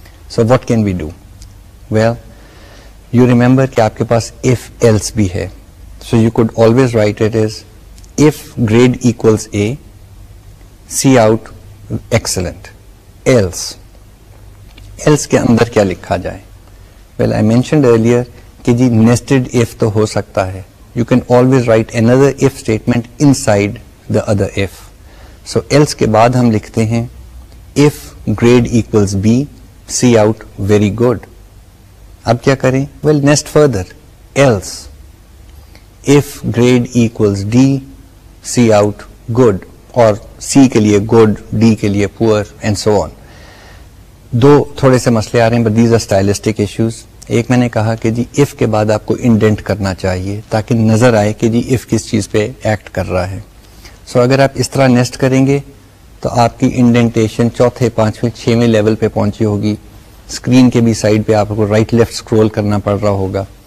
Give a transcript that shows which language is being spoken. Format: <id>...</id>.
<en>So what can we do? Well you remember</en> <ur>کہ آپ کے پاس ایف ایلس بھی ہے,</ur> <en>so you could always write it as if grade equals a see out excellent,</en> <ur>else کے اندر کیا لکھا جائے؟</ur> <en>well I mentioned earlier</en> <ur>کہ جی nested if تو ہو سکتا ہے,</ur> <en>you can always write another if statement inside the other if. So else کے بعد ہم لکھتے ہیں if grade equals b see out very good.</en> <ur>اب کیا کریں؟</ur> <en>well nest further else if grade equals d see out good,</en> <ur>اور C کے لیے good, D کے لیے poor,</ur> <en>and so on.</en> <ur>دو تھوڑے سے مسئلے آ رہے ہیں,</ur> <en>but these are stylistic issues.</en> <ur>ایک میں نے کہا کہ جی if کے بعد آپ کو indent کرنا چاہیے تاکہ نظر آئے کہ جی if کس چیز پہ act کر رہا ہے. سو اگر آپ اس طرح نیسٹ کریں گے تو آپ کی انڈینٹیشن چوتھے پانچویں چھویں لیول پہ پہنچی ہوگی, اسکرین کے بھی سائڈ پہ آپ کو رائٹ لیفٹ اسکرول کرنا پڑ رہا ہوگا.</ur>